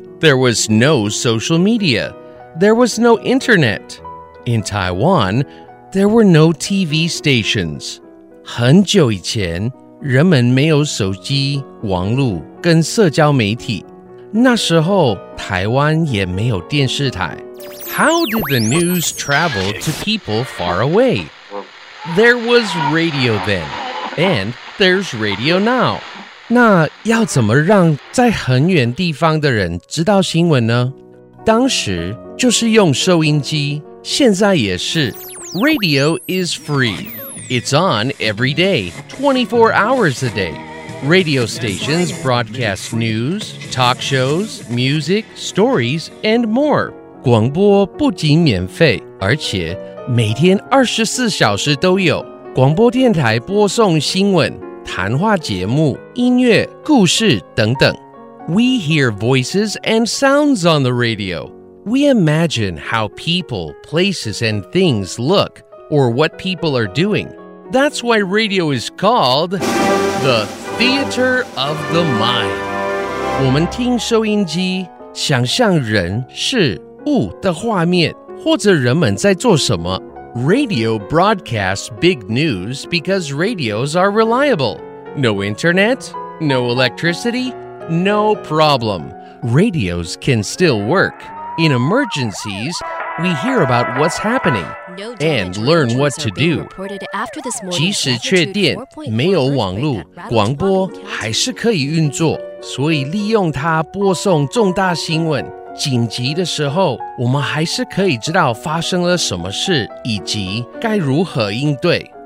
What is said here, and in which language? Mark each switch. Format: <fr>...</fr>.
<en>There was no social media. There was no internet. In Taiwan, there were no TV stations.</en> <zh>很久以前，人们没有手机、网络跟社交媒体。那时候，台湾也没有电视台。</zh> <en>How did the news travel to people far away? There was radio then, and there's radio now.</en> <zh>那要怎么让在很远地方的人知道新闻呢？当时就是用收音机，现在也是。</zh> <en>Radio is free. It's on every day, 24 hours a day. Radio stations broadcast news, talk shows, music, stories, and more.</en> <zh>广播不仅免费，而且每天24小时都有。广播电台播送新闻、谈话节目、音乐、故事等等。</zh> <en>We hear voices and sounds on the radio. We imagine how people, places, and things look, or what people are doing. That's why radio is called the theater of the mind.</en> <zh>我们听收音机，想象人、事、物的画面，或者人们在做什么。</zh> <en>Radio broadcasts big news because radios are reliable. No internet, no electricity, no problem. Radios can still work. In emergencies, we hear about what's happening and learn what to do.</en> <zh>即使缺电，没有网路，广播还是可以运作，所以利用它播送重大新闻。紧急的时候，我们还是可以知道发生了什么事，以及该如何应对。</zh>